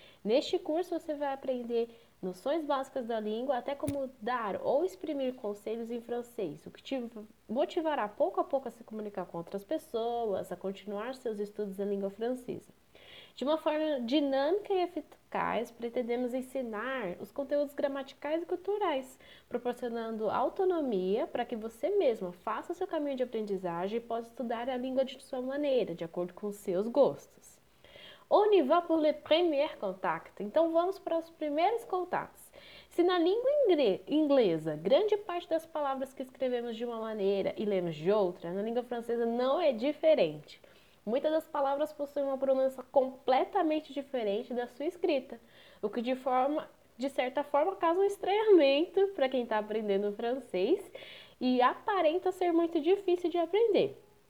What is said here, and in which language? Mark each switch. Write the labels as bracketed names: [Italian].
[Portuguese] Neste curso você vai aprender noções básicas da língua, até como dar ou exprimir conselhos em francês, o que te motivará pouco a pouco a se comunicar com outras pessoas, a continuar seus estudos da língua francesa. De uma forma dinâmica e eficaz, pretendemos ensinar os conteúdos gramaticais e culturais, proporcionando autonomia para que você mesmo faça seu caminho de aprendizagem e possa estudar a língua de sua maneira, de acordo com seus gostos. [French] On y va pour le premier contact. [Portuguese] Então vamos para os primeiros contatos. Se na língua inglesa grande parte das palavras que escrevemos de uma maneira e lemos de outra, na língua francesa não é diferente. Muitas das palavras possuem uma pronúncia completamente diferente da sua escrita, o que de certa forma, causa um estranhamento para quem está aprendendo francês e aparenta ser muito difícil de aprender.